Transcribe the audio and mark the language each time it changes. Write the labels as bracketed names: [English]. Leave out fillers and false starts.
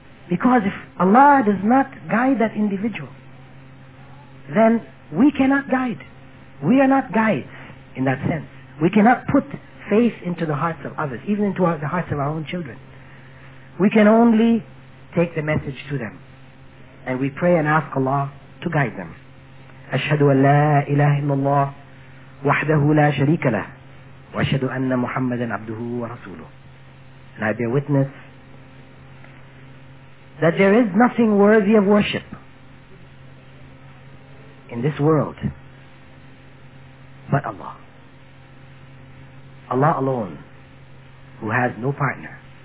[English] Because if Allah does not guide that individual, then we cannot guide. We are not guides in that sense. We cannot put faith into the hearts of others, even into the hearts of our own children. We can only take the message to them. And we pray and ask Allah to guide them. [Arabic] أشهد أن لا إله إلا الله وحده لا شريك له وَأَشْهَدُ أَنَّ مُحَمَّدًا عَبْدُهُ وَرَسُولُهُ. [English] And I bear witness that there is nothing worthy of worship in this world but Allah. Allah alone, who has no partner.